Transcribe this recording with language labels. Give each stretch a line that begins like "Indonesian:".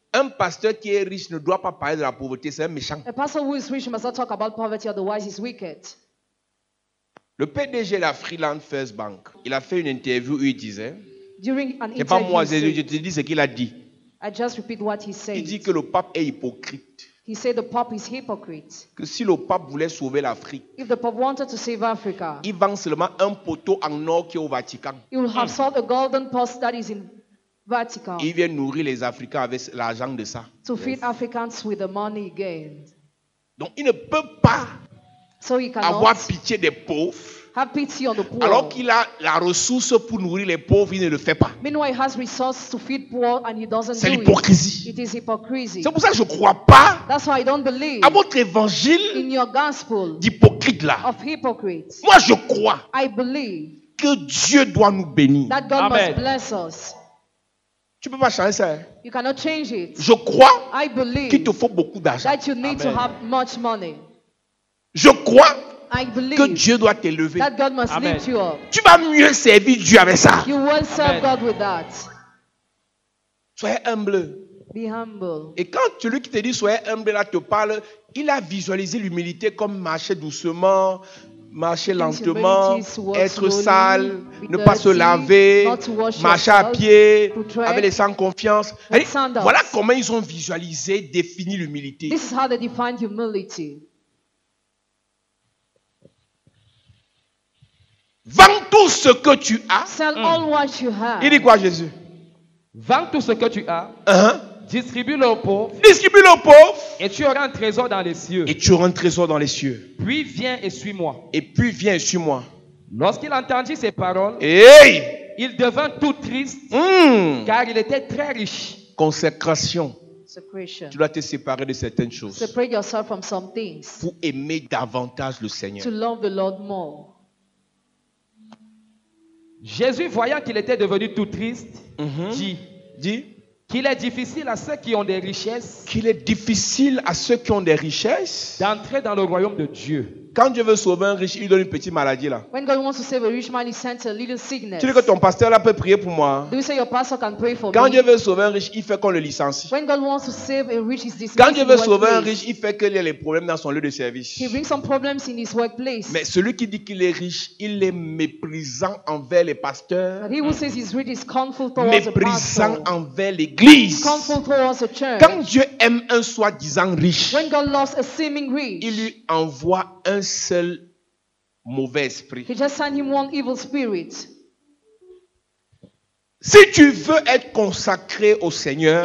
French: Un pasteur qui est riche ne doit pas parler de la pauvreté, c'est un méchant.
English: A pastor who is rich must not talk about poverty, otherwise he's wicked.
French: Le PDG de la Freeland First Bank, il a fait une interview où il disait.
English: During an
French: interview, pas moi, je te dis ce qu'il a dit.
English: I just repeat what he said.
French: Il dit que le pape est hypocrite.
English: He said the pope is hypocrite.
French: Que si le pape voulait sauver l'Afrique,
English: if the pope wanted to save Africa,
French: il vend seulement un poteau en or qui est au Vatican.
English: He will have sold a golden post that is in Vatican.
French: Il vient nourrir les Africains avec l'argent de ça.
English: To feed Africans with the money gained.
French: Donc il ne peut pas avoir pitié des pauvres.
English: Have pity on the poor.
French: Alors qu'il a la ressource pour nourrir les pauvres, il ne le fait pas.
English: Meanwhile, he has resources to feed poor and he doesn't do it.
French: C'est l'hypocrisie.
English: It is hypocrisy.
French: C'est pour ça que je ne crois pas.
English: That's why I don't believe.
French: À votre évangile.
English: In your gospel.
French: D'hypocrite là.
English: Of hypocrites.
French: Moi, je crois.
English: I believe.
French: Que Dieu doit nous bénir.
English: That God Amen. Must bless us.
French: Tu ne peux pas changer ça.
English: You cannot change it.
French: Je crois.
English: I believe.
French: Qu'il te faut beaucoup d'argent.
English: That you need Amen. To have much money.
French: Je crois.
English: I believe
French: que Dieu doit t'élever.
English: That God must lift you up.
French: Tu vas mieux servir Dieu avec ça.
English: You will serve Amen. God with that.
French: Sois humble.
English: Be humble.
French: Et quand celui qui te dit sois humble là te parle, il a visualisé l'humilité comme marcher doucement, marcher lentement, être sale, ne pas se laver, marcher à pied, avec les sans confiance. Voilà comment ils ont visualisé, défini l'humilité.
English: This is how they define humility.
French: Vends tout ce que tu as.
English: Sell all what you have.
French: Il dit quoi, Jésus? Vends tout ce que tu as. Uh-huh. Distribue-le aux pauvres. Distribue-le aux pauvres. Et tu auras un trésor dans les cieux. Et tu auras un trésor dans les cieux. Puis viens et suis-moi. Et puis viens et suis-moi. Lorsqu'il entendit ces paroles, hey! Il devint tout triste, car il était très riche. Consécration.
English: Secretion.
French: Tu dois te séparer de certaines choses.
English: Separate yourself from some things.
French: Pour aimer davantage le Seigneur.
English: To love the Lord more.
French: Jésus, voyant qu'il était devenu tout triste, mm-hmm. dit, Qu'il est difficile à ceux qui ont des richesses. Qu'il est difficile à ceux qui ont des richesses. D'entrer dans le royaume de Dieu. Quand Dieu veut sauver un riche, il donne une petite maladie là.
English: When God wants to save a rich man, he sends a little sickness.
French: Tu dis que ton pasteur là peut prier pour moi.
English: Do you say your pastor can pray for me?
French: Quand Dieu veut sauver un riche, il fait qu'on le licencie.
English: When God wants to save a rich, he's dismissed.
French: Quand Dieu veut sauver un riche, il fait qu'il y a les problèmes dans son lieu de service.
English: He brings some problems in his workplace.
French: Mais celui qui dit qu'il est riche, il est méprisant envers les pasteurs.
English: But he who says he's rich is scornful towards
French: méprisant envers l'église.
English: Scornful towards the church.
French: Quand Dieu aime un soi-disant riche,
English: when God loves a seeming rich,
French: il lui envoie un seul mauvais esprit.
English: He just sent him one evil spirit.
French: Si tu veux être consacré au Seigneur,